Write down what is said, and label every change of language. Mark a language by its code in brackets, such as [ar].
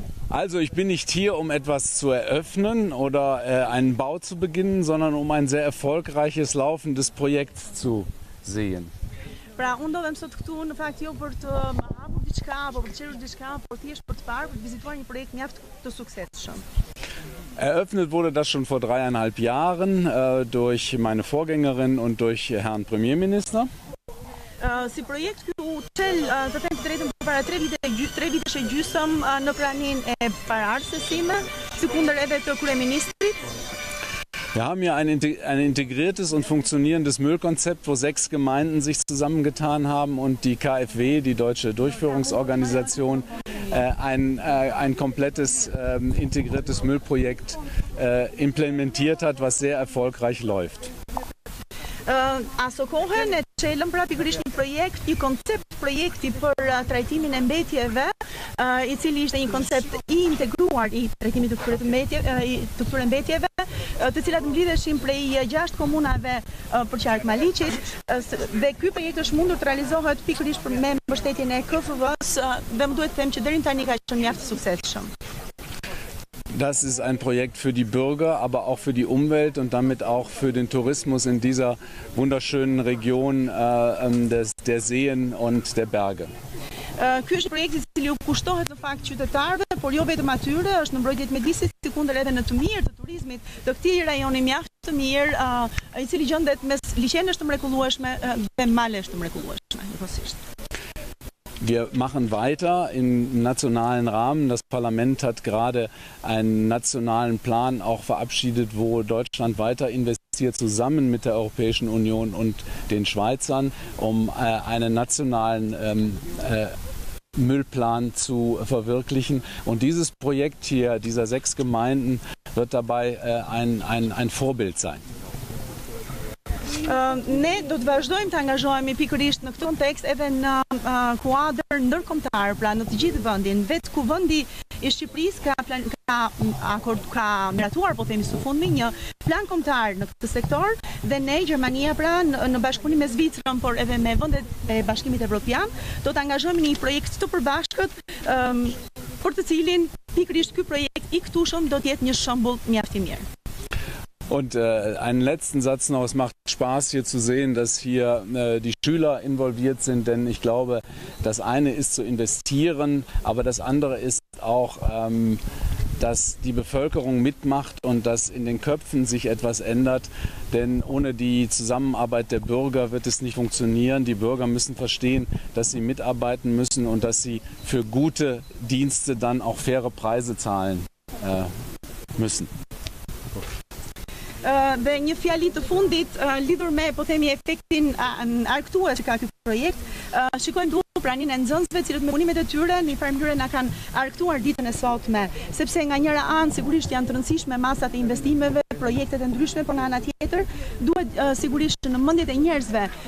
[de] Also, ich bin nicht hier, um etwas zu eröffnen oder einen Bau zu beginnen, sondern um ein sehr erfolgreiches laufendes Projekt zu sehen. [sq] Pra, unë do vem sot këtu në fakt jo për të hapur diçka apo për të qerur diçka, por thjesht për të parë, për të vizituar një projekt mjaft të suksesshëm. [de] Eröffnet wurde das schon vor 3,5 Jahren durch meine Vorgängerin und durch Herrn Premierminister. [sq] Si projekt këtu çel të them të drejtën para 3 vitesh e gjysëm në praninë e paraardhësime, sikundër edhe të kryeministrit. [de] Wir haben ja ein integriertes und funktionierendes Müllkonzept, wo 6 Gemeinden sich zusammengetan haben und die KfW, die Deutsche Durchführungsorganisation, ein komplettes integriertes Müllprojekt implementiert hat, was sehr erfolgreich läuft. [sq] Also kohen e çelëm pra pikërisht një projekt, një koncept projekti për trajtimin e mbetjeve, i cili ishte një koncept i integruar i trajtimit të këtyre mbetjeve, të cilat mblidheshin prej 6 komunave përqark Maliqit, dhe ky projekt është mundur të realizohet pikërisht me mbështetjen e KFV-s, dhe më duhet të them që deri tani ka qenë mjaft suksesshëm. [de] Das ist ein Projekt für die Bürger, aber auch für die Umwelt und damit auch für den Tourismus in dieser wunderschönen Region der Seen und der Berge. [sq] Ky është projekti i cili u kushtohet në fakt qytetarëve, por jo vetëm atyre, është në mbrojtje të mjedisit, sikundër edhe në të mirë të turizmit të këtij rajoni mjaft të mirë, i cili gjendet mes liçenësh të mrekullueshme dhe malesh të mrekullueshme, njëkohësisht. [de] Wir machen weiter im nationalen Rahmen. Das Parlament hat gerade einen nationalen Plan auch verabschiedet, wo Deutschland weiter investiert, zusammen mit der Europäischen Union und den Schweizern, um einen nationalen Müllplan zu verwirklichen. Und dieses Projekt hier, dieser 6 Gemeinden, wird dabei ein Vorbild sein. [sq] Ne do të vazhdojmë të angazhohemi pikërisht në këtë kontekst edhe në kuadër ndërkombëtar, pra në të gjithë vendin, vetë kuvendi i Shqipërisë ka miratuar, po themi së fundmi, një plan kombëtar në këtë sektor dhe ne, Gjermania, pra në bashkëpunim me Zvicrën, por edhe me vendet e bashkimit evropian, do të angazhohemi një projekt të përbashkët për të cilin pikërisht ky projekt i këtushëm do të jetë një shembull mjaft i mirë. [de] Und einen letzten Satz noch. Es macht Spaß hier zu sehen, dass hier die Schüler involviert sind, denn ich glaube, das eine ist zu investieren, aber das andere ist auch, dass die Bevölkerung mitmacht und dass in den Köpfen sich etwas ändert, denn ohne die Zusammenarbeit der Bürger wird es nicht funktionieren. Die Bürger müssen verstehen, dass sie mitarbeiten müssen und dass sie für gute Dienste dann auch faire Preise zahlen müssen. [sq] Dhe një fjali të fundit lidhur me, po themi, efektin arktues që ka ky projekt, shikojmë duke praninë e nxënësve cilët me punimet e tyre në një farë mënyrë na kanë arktuar ditën e sotme, sepse nga njëra anë sigurisht janë të rëndësishme masat e investimeve, projektet e ndryshme, por nga ana tjetër duhet sigurisht në mendjet e njerëzve